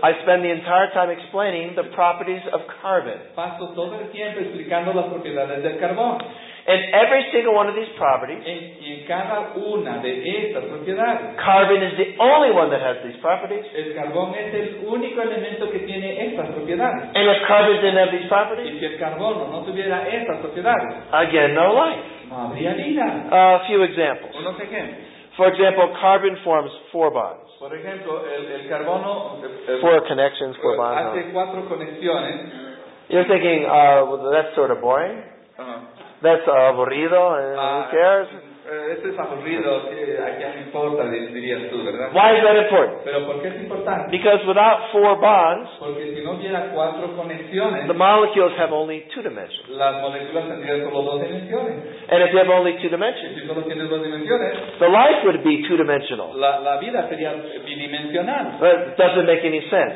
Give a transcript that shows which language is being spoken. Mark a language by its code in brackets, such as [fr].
[en] I spend the entire time explaining the properties of carbon. [es] Paso todo el tiempo explicando las propiedades del carbón. [en] And every single one of these properties, [es] en cada una de estas propiedades, [en] carbon is the only one that has these properties. [es] El carbón es el único elemento que tiene estas propiedades. [en] And if carbon didn't have these properties, [es] y si el carbón no tuviera estas propiedades, [en] again, no life. A few examples. For example, carbon forms four bonds. [es] Por ejemplo, el carbono, [en] four connections, four bonds. [es] Hace cuatro conexiones. [en] You're thinking, well, that's sort of boring. Uh-huh. That's aburrido, who cares? [es] Este es aburrido, ¿a quién importa, dirías tú, verdad? [en] Why is that important? [es] Pero ¿por qué es importante? [en] Because without four bonds, [es] porque si no hubiera cuatro conexiones, [en] the molecules have only two dimensions. [es] Las moléculas tendrían solo dos dimensiones. [en] And if you have only two dimensions, [es] si solo tienes dos dimensiones, [en] the life would be two-dimensional. [es] La vida sería bidimensional. [en] But it doesn't make any sense.